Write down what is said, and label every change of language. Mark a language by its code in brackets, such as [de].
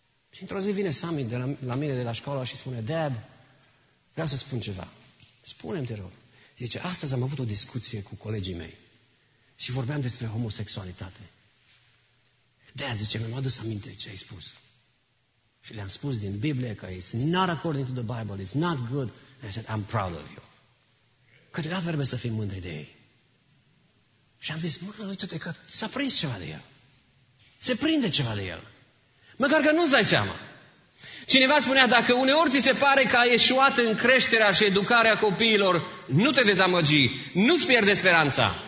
[ro] Și într-o zi vine Sammy de la mine de la școală și spune: Dad, vreau să spun ceva. Spune-mi, te rog. Zice: astăzi am avut o discuție cu colegii mei și vorbeam despre homosexualitate. Dad, zice, mi-am adus aminte ce ai spus. Și le-am spus din Biblie că [en] it's not according to the Bible, it's not good. And I said, I'm proud of you. [ro] Câteodată vreme să fim mândri de ei. Și am zis, mă, uite-te că s-a prins ceva de el. Se prinde ceva de el. Măcar că nu-ți dai seama. Cineva spunea, dacă uneori ți se pare că ai eșuat în creșterea și educarea copiilor, nu te dezamăgi, nu-ți pierde speranța.